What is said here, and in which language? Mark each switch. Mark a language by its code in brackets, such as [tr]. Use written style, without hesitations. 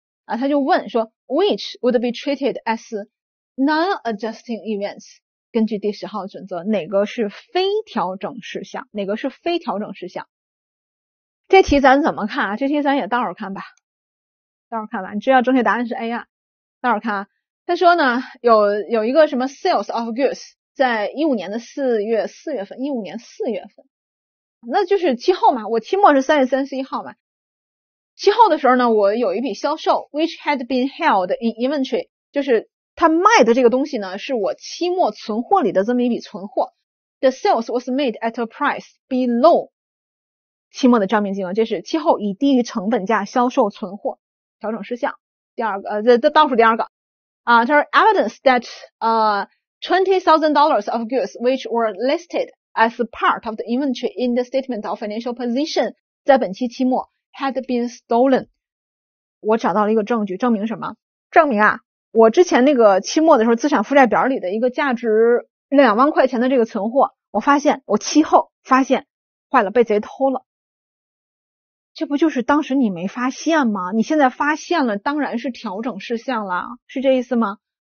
[zh] 啊，他就问说， [en] which would be treated as non-adjusting events。 [zh] 根据第十号准则，哪个是非调整事项？哪个是非调整事项？这题咱怎么看啊？这题咱也倒着看吧，倒着看吧。你知道正确答案是 A 啊？倒着看啊。他说呢，有一个什么 [en] sales of goods， [zh] 在15年4月份，那就是期后嘛。我期末是3月31号嘛。期后的时候呢，我有一笔销售， [en] which had been held in inventory， [zh] 就是。他卖的这个东西呢，是我期末存货里的这么一笔存货。 [en] The sales was made at a price below [zh] 期末的账面金额，这是期后以低于成本价销售存货调整事项。第二个，这倒数第二个啊，他说 [en] evidence that $20,000 of goods which were listed as part of the inventory in the statement of financial position [zh] 在本期期末 [en] had been stolen。 [zh] 我找到了一个证据，证明什么？证明啊。我之前那个期末的时候，资产负债表里的一个价值2万块钱的这个存货，我发现我期后发现坏了，被贼偷了。这不就是当时你没发现吗？你现在发现了，当然是调整事项了，是这意思吗？